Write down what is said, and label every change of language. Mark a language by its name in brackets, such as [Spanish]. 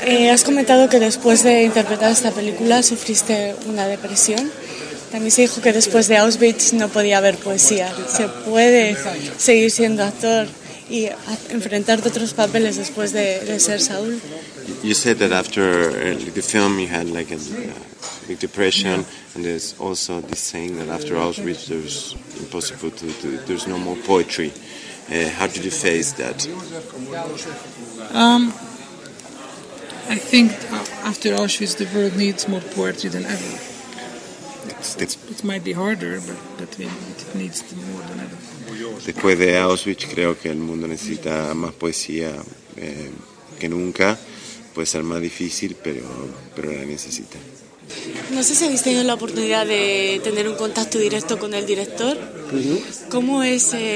[Spanish] Has comentado que después de interpretar esta película sufriste una depresión. También se dijo que después de Auschwitz no podía haber poesía. ¿Se puede seguir siendo actor y enfrentarte a otros papeles después de ser Saúl? [English] You said that after the film you had like a big depression, yeah. And there's also this saying that after Auschwitz there's impossible to there's no more poetry. How did you face that? I think after Auschwitz, the world needs more poetry than ever. It might be harder, but it needs more than ever. [Spanish] Después de Auschwitz, creo que el mundo necesita más poesía que nunca. Puede ser más difícil, pero la necesita. No sé si habéis tenido la oportunidad de tener un contacto directo con el director. ¿Cómo es